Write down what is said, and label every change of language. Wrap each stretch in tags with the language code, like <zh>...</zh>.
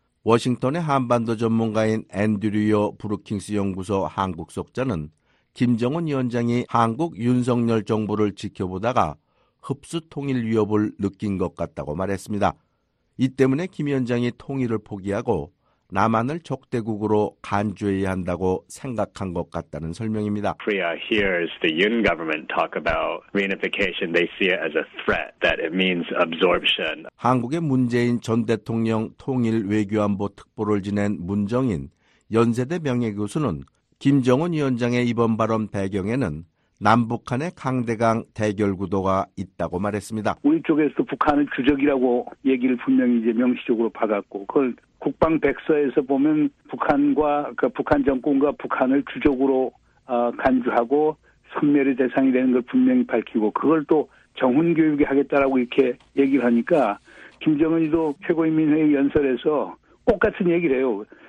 <ko>워싱턴의 한반도 전문가인 앤드류어 브루킹스 연구소 한국 속자는 김정은 위원장이 한국 윤석열 정부를 지켜보다가 흡수 통일 위협을 느낀 것 같다고 말했습니다. 이 때문에 김 위원장이 통일을 포기하고 남한을 적대국으로 간주해야 한다고 생각한 것 같다는 설명입니다.</ko> <en>Korea hears the Yoon government talk about reunification. They see it as a threat that it means absorption.</en> <ko>한국의 문재인 전 대통령 통일 외교안보 특보를 지낸 문정인 연세대 명예교수는 김정은 위원장의 이번 발언 배경에는 남북한의 강대강 대결 구도가 있다고 말했습니다. 우리 쪽에서도 북한을 주적이라고 얘기를 분명히 이제 명시적으로 받았고 그걸 국방 백서에서 보면 북한과 그 북한 정권과 북한을 주적으로 간주하고 선멸의 대상이 되는 걸 분명히 밝히고 그걸 또 정훈 교육이 하겠다라고 이렇게 얘기를 하니까 김정은이도 최고인민회의 연설에서 똑같은 얘기를 해요.</ko>